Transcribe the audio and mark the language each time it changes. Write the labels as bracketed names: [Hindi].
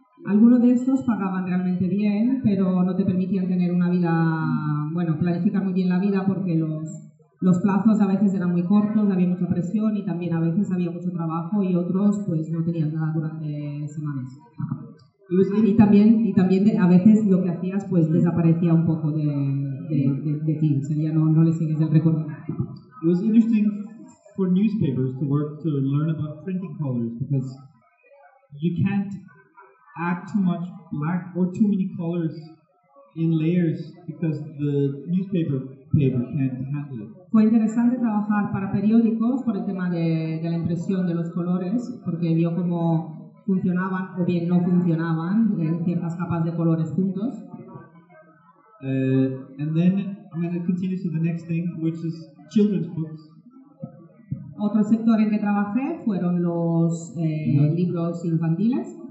[Spanish] Algunos de estos pagaban realmente bien, pero no te permitían tener una vida, bueno, planificar muy bien la vida porque los plazos a veces eran muy cortos, había mucha presión y también a veces había mucho trabajo y otros pues no tenían nada durante semanas. Y también a veces lo que hacías pues desaparecía un poco de ti, o sea, ya no le sigues el recuerdo. [English] It was interesting for newspapers to work to learn about printing colors because you can't add too much black or too many colors in layers because the newspaper paper can't handle it. [Spanish] Fue interesante trabajar para periódicos por el tema de la impresión de los colores porque vio como funcionaban o bien no funcionaban en ciertas capas de colores juntos. [English] And then I'm going to continue to the next thing, which is children's books. [Spanish] Otro sector en que trabajé fueron los libros infantiles.